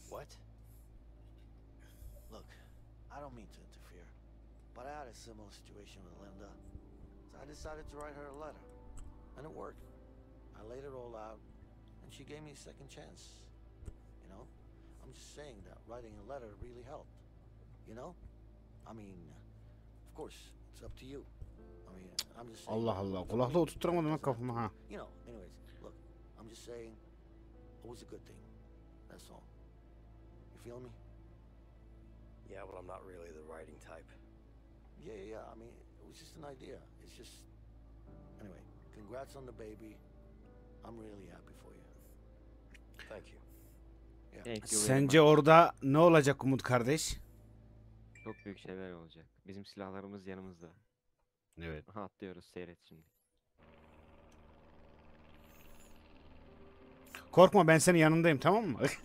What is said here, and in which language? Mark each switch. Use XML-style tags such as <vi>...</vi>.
<en>I don't mean to interfere, but I had a similar situation with Linda, so I decided to write her a letter, and it worked. I laid it all out, and she gave me a second chance, you know? I'm just saying that writing a letter really helped, you know? I mean, of course, it's up to you. I mean, I'm just saying...</en> <tr>Allah Allah, kulaklığı oturtturamadım ben kafama ha.</tr> <en>You know, anyways, look, I'm just saying, it was a good thing, that's all. You feel me? Yeah, but I'm not really the writing type. Yeah, I mean, it was just an idea. It's just... Anyway, congrats on the baby. I'm really happy for you. Thank you. Yeah. Thank you.</en> <tr>Sence orada ne olacak Umut kardeş? Çok büyük şeyler olacak. Bizim silahlarımız yanımızda. Evet. Atlıyoruz, seyret şimdi. Korkma, ben senin yanındayım, tamam mı?</tr>